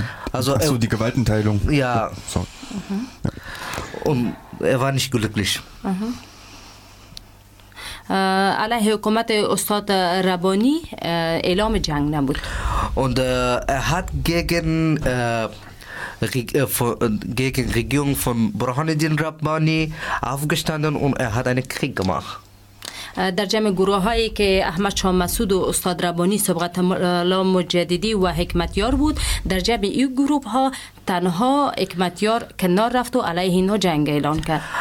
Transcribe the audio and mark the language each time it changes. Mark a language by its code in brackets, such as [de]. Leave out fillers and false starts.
[de] Also, ach so, die Gewaltenteilung. Ja. Oh, sorry. Und er war nicht glücklich. [fa] علیه حکومت استاد ربانی اعلام جنگ نبود. [de] Und er hat gegen Regierung von Burhanuddin Rabbani aufgestanden und er hat einen Krieg gemacht. [fa] در جمع گروه هایی که احمد شاه مسعود و استاد ربانی صبغت الله مجددی و حکمتیار بود، در جمع این گروه ها تنها حکمتیار کنار رفت و علیه اینا جنگ اعلان کرد.